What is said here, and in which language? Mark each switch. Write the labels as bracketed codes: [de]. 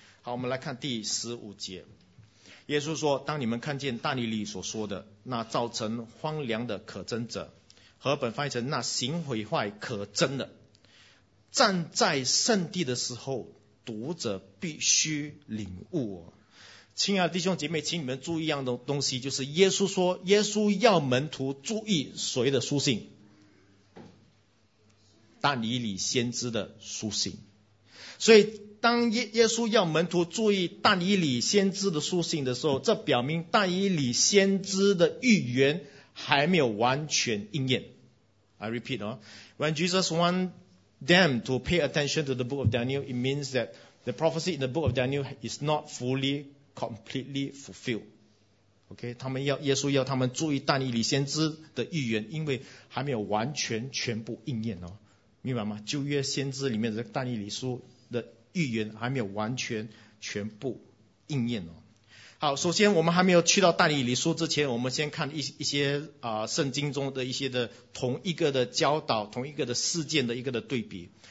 [zh] 好，我们来看第十五节，耶稣说，当你们看见大尼利所说的那造成荒凉的可憎者，和本翻译成那行毁坏可憎的，站在圣地的时候，读者必须领悟亲爱的弟兄姐妹，请你们注意一样的东西，就是耶稣说耶稣要门徒注意谁的书信？大尼利先知的书信。所以当耶稣要门徒注意大尼利先知的书信的时候，这表明大尼利先知的预言还没有完全应验。 [en] I repeat When Jesus want them to pay attention to the book of Daniel, it means that the prophecy in the book of Daniel is not fully completely fulfilled. [zh] Okay, 耶稣要他们注意大尼利先知的预言，因为还没有完全全部应验明白吗？旧约先知里面的大尼利书的预言还没有完全全部应验好，首先我们还没有去到大尼利书之前，我们先看一些圣经中的一些的同一个的教导，同一个的事件的一个的对比。